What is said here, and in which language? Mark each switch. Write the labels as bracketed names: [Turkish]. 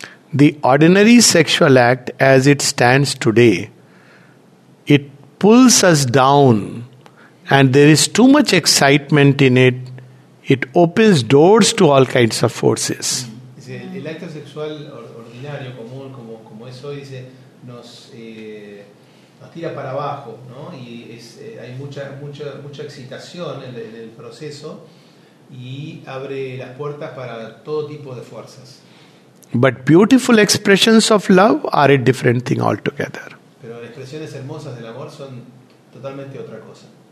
[English] The ordinary sexual act as it stands today, it pulls us down and there is too much excitement in it. It opens doors to all kinds of forces. [Spanish] Dice, el acto sexual ordinario, común, como es hoy, dice, nos tira para abajo, ¿no? Y hay mucha excitación en el proceso y abre las puertas para todo tipo de fuerzas. [English] But beautiful expressions of love are a different thing altogether. [Spanish] Pero las expresiones hermosas del amor son totalmente otra cosa.